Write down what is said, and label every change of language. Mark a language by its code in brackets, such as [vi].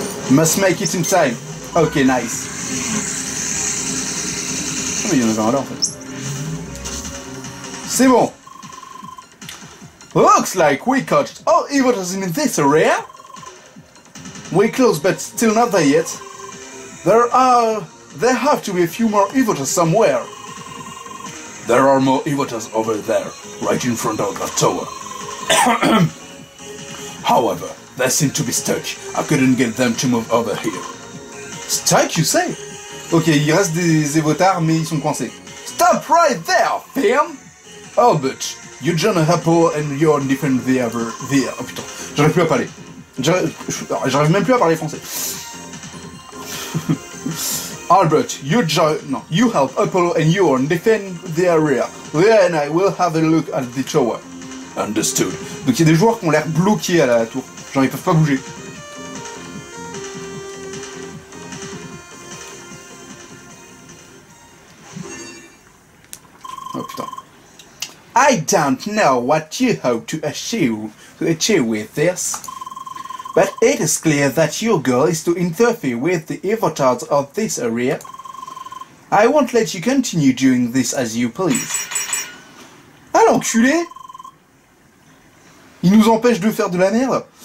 [en] Must make it in time. Ok, nice. [fr] Oh, mais il y en avait un là, en fait. C'est bon. [en] Looks like we caught all evil in this area. We're close, but still not there yet. There are... There have to be a few more Evoters somewhere. There are more Evoters over there, right in front of that tower. However, they seem to be stuck. I couldn't get them to move over here. Stuck, you say? [fr] Ok, il reste des Evotars, mais ils sont coincés. [en] Stop right there, Finn! Albert, you join Apo and you're different the other... The... [fr] Oh putain, j'arrive plus à parler. J'arrive même plus à parler français. [en] Albert, you join... No, you help Apollo and Yorn defend the area. Leah and I will have a look at the tower. Understood. [fr] Donc il y a des joueurs qui ont l'air bloqués à la tour. Genre ils peuvent pas bouger. Oh putain. [en] I don't know what you hope to achieve with this. But it is clear that your goal is to interfere with the Evotards of this area. I won't let you continue doing this as you please. [fr] Ah l'enculé! Il nous empêche de faire de la merde?